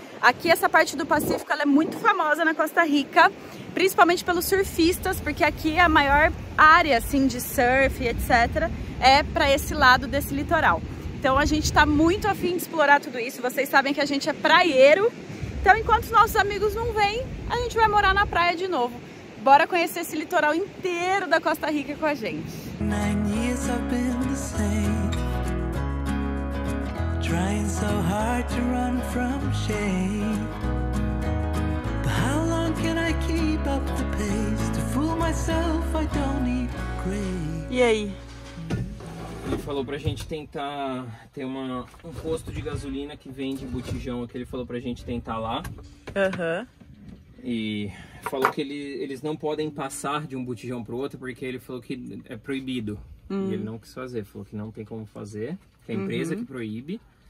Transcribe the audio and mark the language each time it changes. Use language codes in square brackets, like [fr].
[pt] Aqui essa parte do Pacífico ela é muito famosa na Costa Rica, principalmente pelos surfistas, porque aqui é a maior área assim, de surf, etc., é para esse lado desse litoral. Então a gente está muito afim de explorar tudo isso. Vocês sabem que a gente é praieiro. Então enquanto os nossos amigos não vêm, a gente vai morar na praia de novo. Bora conhecer esse litoral inteiro da Costa Rica com a gente. [en] 9 years I've been the same. Trying so hard to run from shame. But how long can I keep up the pace? To fool myself, I don't need grace. [pt] E aí? Ele falou pra gente tentar ter um posto de gasolina que vende botijão, que ele falou pra gente tentar lá. Aham. Uhum. E falou que eles não podem passar de um botijão pro outro, porque ele falou que é proibido. E ele não quis fazer, falou que não tem como fazer, que é a empresa que proíbe.